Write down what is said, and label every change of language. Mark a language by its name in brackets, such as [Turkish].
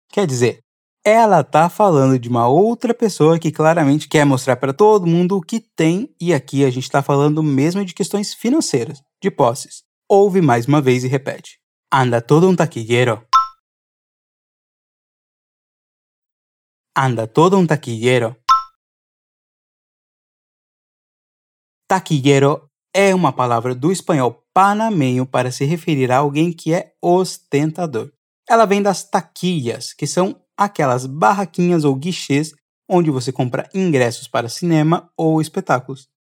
[Portuguese] Quer dizer, ela está falando de uma outra pessoa que claramente quer mostrar para todo mundo o que tem, e aqui a gente está falando mesmo de questões financeiras, de posses. Ouve mais uma vez e repete: [Spanish] anda todo un taquillero. Anda todo un taquillero. [Portuguese] Taquillero é uma palavra do espanhol panameño para se referir a alguém que é ostentador. Ela vem das taquillas, que são aquelas barraquinhas ou guichês onde você compra ingressos para cinema ou espetáculos.